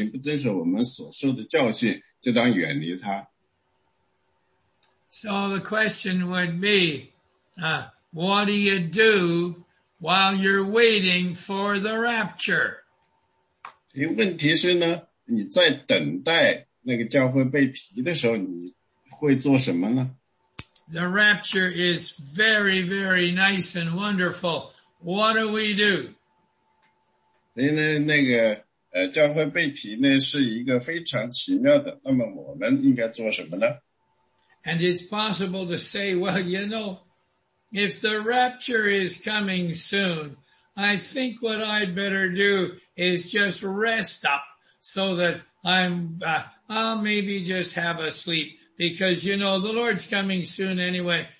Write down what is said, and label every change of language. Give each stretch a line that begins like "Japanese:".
Chinese: 第六节说，弟兄们，我们奉主耶稣基督的名吩咐你们，凡有弟兄不按规矩而行，不遵守我们所受的教训，就当远离他。
English: So the question would be, what do you do while you're waiting for the rapture?
Chinese: 问题是呢，你在等待那个教会被提的时候，你会做什么呢？
English: The rapture is very, very nice and wonderful. What do we do?
Chinese: 因为那个教会被提呢，是一个非常奇妙的，那么我们应该做什么呢？
English: And it's possible to say, well, you know, if the rapture is coming soon, I think what I'd better do is just rest up so that I'll maybe just have a sleep because, you know, the Lord's coming soon anyway.